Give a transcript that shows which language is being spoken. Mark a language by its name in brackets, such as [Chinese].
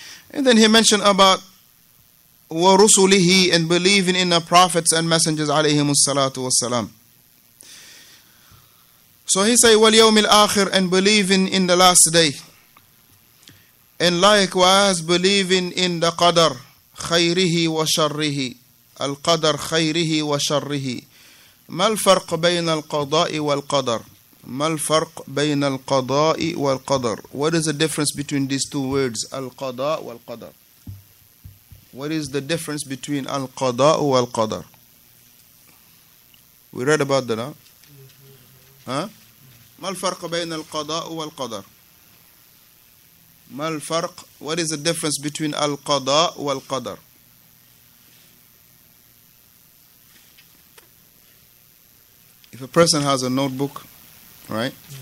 [English] And then he mentioned about wa rusulihi, and believing in the prophets and messengers alayhim salatu wassalam. So he say, [Arabic] واليوم الآخر, [English] and believing in the last day. And likewise, believing in the [Arabic] قدر خيره وشره. القدر خيره وشره. ما الفرق بين القضاء والقدر؟ ما الفرق بين القضاء والقدر؟ [English] What is the difference between these two words, القضاء والقدر? What is the difference between [Arabic] القضاء والقدر? [English] We read about that, huh? [Arabic] ما الفرق بين القضاء والقدر؟ ما الفرق؟ [English] What is the difference between [Arabic] القضاء والقدر؟ [English] If a person has a notebook, right?